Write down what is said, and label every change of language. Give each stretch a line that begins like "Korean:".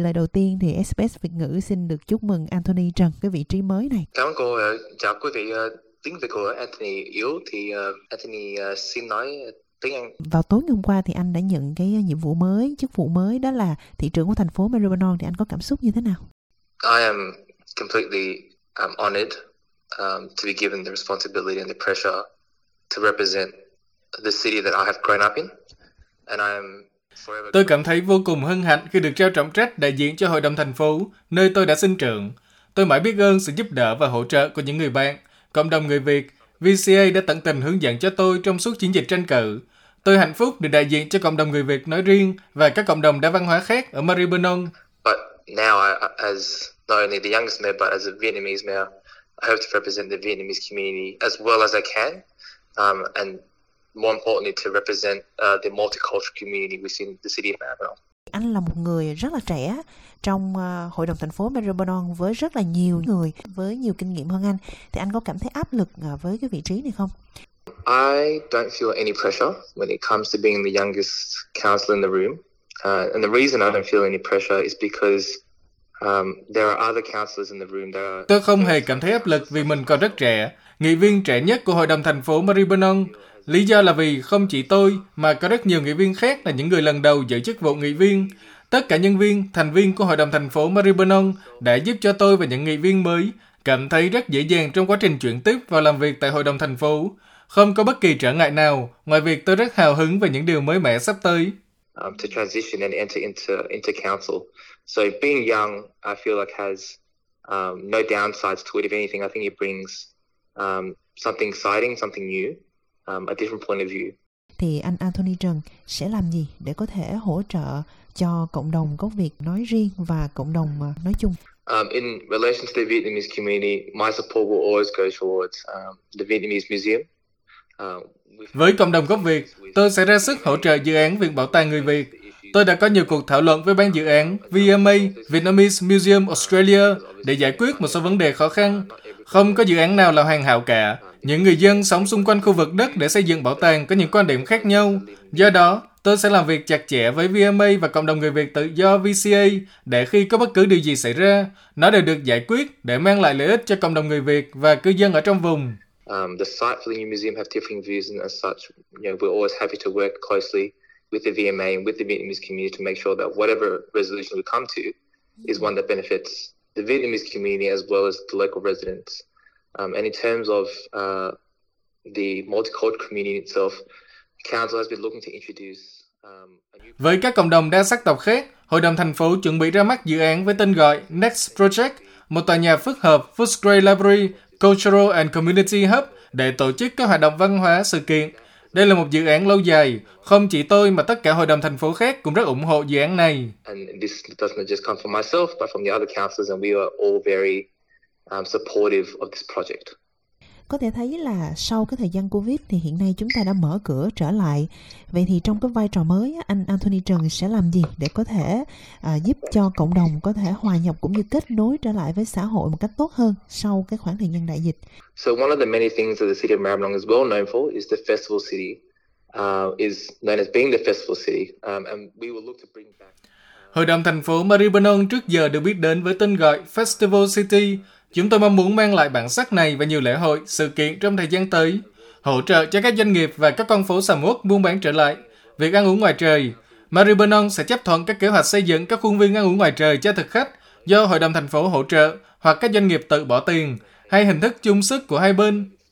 Vietnamese: Lời đầu tiên thì SBS Việt ngữ xin được chúc mừng Anthony Trần cái vị trí mới này. Cảm ơn cô. Chào quý vị. Tiếng Việt của Anthony yếu thì Anthony xin nói tiếng Anh. Vào tối ngày hôm qua thì anh đã nhận cái nhiệm vụ mới, chức vụ mới, đó là thị trưởng của thành phố Maribor, thì anh có cảm xúc như thế nào?
English: I am completely honored to be given the responsibility and the pressure to represent the city that I have grown up in, and I am forever.
Vietnamese: Tôi cảm thấy vô cùng hân hạnh khi được trao trọng trách đại diện cho hội đồng thành phố nơi tôi đã sinh trưởng. Tôi mãi biết ơn sự giúp đỡ và hỗ trợ của những người bạn, cộng đồng người Việt. VCA đã tận tình hướng dẫn cho tôi trong suốt chiến dịch tranh cử. Tôi hạnh phúc được đại diện cho cộng đồng người Việt nói riêng và các cộng đồng đa văn hóa khác ở Maribyrnong.
English: But now, as not only the youngest mayor, but as a Vietnamese mayor, I hope to represent the Vietnamese community as well as I can, and more importantly, to represent the multicultural community within the city of Maribyrnong.
Vietnamese: Anh là một người rất là trẻ trong hội đồng thành phố Maribor với rất là nhiều người với nhiều kinh nghiệm hơn anh, thì anh có cảm thấy áp lực với cái vị trí này không?
English: I don't feel any pressure when it comes to being the youngest councillor in the room, and the reason I don't feel any pressure is because there are other councillors in the room that are.
Vietnamese: Tôi không hề cảm thấy áp lực vì mình còn rất trẻ, nghị viên trẻ nhất của hội đồng thành phố Maribor. Lý do là vì không chỉ tôi mà có rất nhiều nghị viên khác là những người lần đầu giữ chức vụ nghị viên. Tất cả nhân viên, thành viên của Hội đồng thành phố Maribyrnong đã giúp cho tôi và những nghị viên mới cảm thấy rất dễ dàng trong quá trình chuyển tiếp vào làm việc tại Hội đồng thành phố. Không có bất kỳ trở ngại nào ngoài việc tôi rất hào hứng về những điều mới mẻ sắp tới.
English: To transition and enter into council. So being young, I feel like has no downsides to it. If anything, I think it brings something exciting, something new. A different point of view.
Vietnamese: Thì anh Anthony Trần sẽ làm gì để có thể hỗ trợ cho cộng đồng gốc Việt nói riêng và cộng đồng nói chung?
English: In relation to the Vietnamese community, my support will always go towards the Vietnamese Museum.
Vietnamese: Với cộng đồng gốc Việt, tôi sẽ ra sức hỗ trợ dự án Viện Bảo tàng Người Việt. Tôi đã có nhiều cuộc thảo luận với ban dự án VMA, Vietnamese Museum Australia, để giải quyết một số vấn đề khó khăn. Không có dự án nào là hoàn hảo cả. Những người dân sống xung quanh khu vực đất để xây dựng bảo tàng có những quan điểm khác nhau. Do đó, tôi sẽ làm việc chặt chẽ với VMA và Cộng đồng Người Việt Tự do VCA để khi có bất cứ điều gì xảy ra, nó đều được giải quyết để mang lại lợi ích cho cộng đồng người Việt và cư dân ở trong vùng.
English: The site for the new museum have different views and as such, you know, we're always happy to work closely with the VMA and with the Vietnamese community to make sure that whatever resolution we come to is one that benefits the Vietnamese community as well as the local residents. And in terms of the multicultural community itself, council has been looking to introduce.
Vietnamese: Với các cộng đồng đa sắc tộc khác, hội đồng thành phố chuẩn bị ra mắt dự án với tên gọi Next Project, một tòa nhà phức hợp Footscray Library, Cultural and Community Hub để tổ chức các hoạt động văn hóa sự kiện. Đây là một dự án lâu dài. Không chỉ tôi mà tất cả hội đồng thành phố khác cũng rất ủng hộ dự án này.
English: And this does not just come from myself, but from the other councillors, and we are all very supportive of this project.
Vietnamese: Có thể thấy là sau cái thời gian COVID thì hiện nay chúng ta đã mở cửa trở lại. Vậy thì trong cái vai trò mới, anh Anthony Trần sẽ làm gì để có thể giúp cho cộng đồng có thể hòa nhập cũng như kết nối trở lại với xã hội một cách tốt hơn sau cái khoảng thời gian đại dịch?
English: So one of the many things that the city of Maribyrnong is well known for is the festival city, is known as being the festival city, and we will look to bring back.
Vietnamese: Hội đồng thành phố Maribyrnong trước giờ được biết đến với tên gọi Festival City. Chúng tôi mong muốn mang lại bản sắc này và nhiều lễ hội, sự kiện trong thời gian tới, hỗ trợ cho các doanh nghiệp và các con phố sầm uất buôn bán trở lại, việc ăn uống ngoài trời. Maribyrnong sẽ chấp thuận các kế hoạch xây dựng các khuôn viên ăn uống ngoài trời cho thực khách do Hội đồng thành phố hỗ trợ hoặc các doanh nghiệp tự bỏ tiền hay hình thức chung sức của hai bên.